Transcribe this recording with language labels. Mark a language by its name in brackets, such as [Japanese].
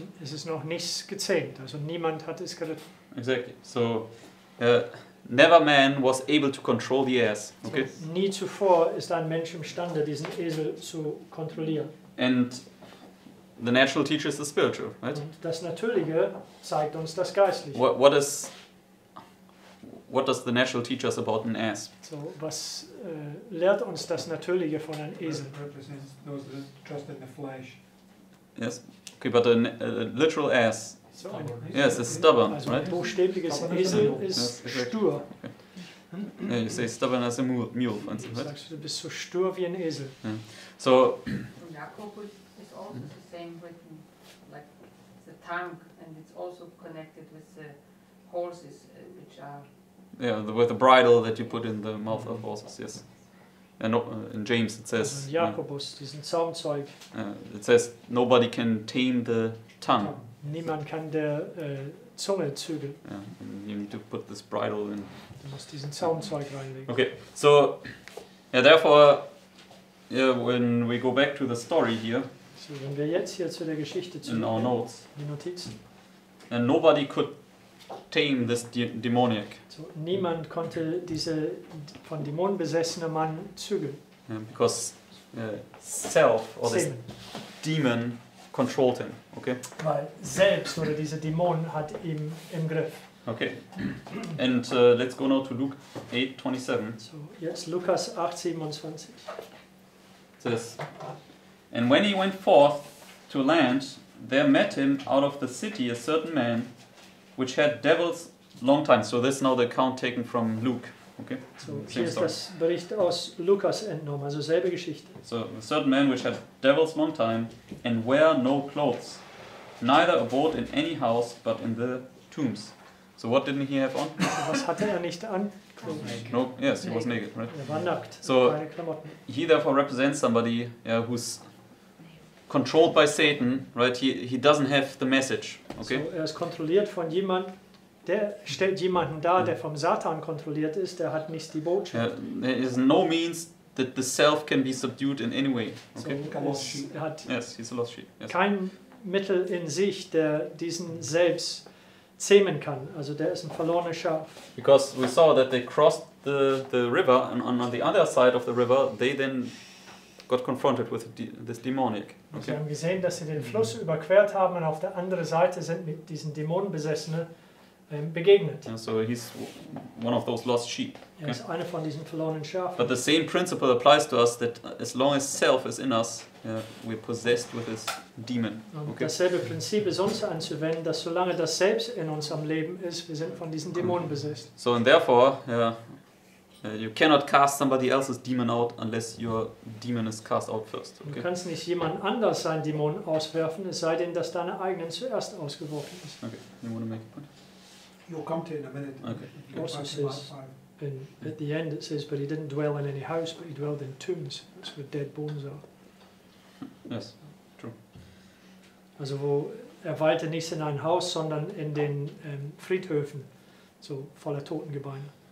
[German] Es ist noch nichts gezähmt, also niemand hat es geritten. [English] Exactly. So, never man was able to control the ass. Okay. So, [German] nie zuvor ist ein Mensch imstande, diesen Esel zu kontrollieren. [English] And the natural teaches the spiritual, right? [German] Und das Natürliche zeigt uns das Geistliche. [English] What does the natural teach us about an ass? [German] So, was lehrt uns das Natürliche von einem Esel? [English] Represents those that trust in the flesh. Yes. Okay, but a literal ass. So, yes, it's stubborn, [German] also [English] right? [German] Also, buchstäbliches Esel ist stur. Okay. [English] Yeah, you say stubborn as a mule, for instance, right? [German] Sagst du, bist so stur wie ein Esel. [English] Yeah. So. Jakob is also the same written, like the the tank, and it's also connected with the horses, which are... Yeah, with the bridle that you put in the mouth of horses, yes. And in James it says... [German] Also Jakobus, diesen Zaumzeug. [English] It says, nobody can tame the tongue. [German] Niemand kann der Zunge zügeln. [English] Yeah, and you need to put this bridle in. [German] Du musst diesen Zaumzeug reinlegen. [English] Okay, so, yeah, therefore, yeah, when we go back to the story here... [German] So, wenn wir jetzt hier zu der Geschichte zurückgehen, [English] in our notes, [German] die Notizen. [English] And nobody could tame this demoniac. [German] So, niemand konnte diese von Dämonen besessene Mann zügeln. [English] Yeah, because self, or this demon, controlled him, okay? [German] Weil selbst oder dieser Dämon hat ihn im Griff. [English] Okay, and let's go now to Luke 8:27. [German] So, jetzt Lukas 8:27. [English] It says, and when he went forth to land, there met him out of the city a certain man, which had devils long time. So this is now the account taken from Luke. Okay. [German] So hier ist das Bericht aus Lukas entnommen, also selbe Geschichte. [English] So a certain man which had devils long time and wear no clothes, neither abode in any house but in the tombs. So what didn't he have on? So [German] was hatte er nicht an? [English] No, yes, he was naked, right? [German] Er war nackt. [English] So he therefore represents somebody who's controlled by Satan, right? He doesn't have the message. Okay. [German] So er ist kontrolliert von jemand, der stellt jemanden dar, der vom Satan kontrolliert ist, der hat nicht die Botschaft. [English] Yeah, there is no means that the self can be subdued in any way. Okay. [German] So er hat [English] he's a lost sheep. Yes. [German] Kein Mittel in sich, der diesen selbst zähmen kann. Also der ist ein verlorener Schaf. [English] Because we saw that they crossed the river, and on the other side of the river, they then got confronted with this demonic. Okay. [German] Sie haben gesehen, dass sie den Fluss überquert haben und auf der anderen Seite sind mit diesen Dämonenbesessenen begegnet. [English] Yeah, so he's one of those lost sheep. [German] Okay. Er ist einer von diesen verlorenen Schafen. [English] But the same principle applies to us, that as long as self is in us, we're possessed with this demon. Okay. [German] Dasselbe Prinzip ist uns anzuwenden, dass solange das Selbst in uns am Leben ist, wir sind von diesen Dämonen besessen. [English] So and therefore, you cannot cast somebody else's demon out unless your demon is cast out first. Okay. [German] Du kannst nicht jemand anders seinen Dämon auswerfen, es sei denn, dass deine eigenen zuerst ausgeworfen ist. [English] Okay, you want to make a point? You'll come to it in a minute. Okay. It also says, at the end it says, but he didn't dwell in any house, but he dwelled in tombs. That's where dead bones are. Yes, true. [German] Also wo er weilte nicht in ein Haus, sondern in den Friedhöfen, so voller Totengebeine.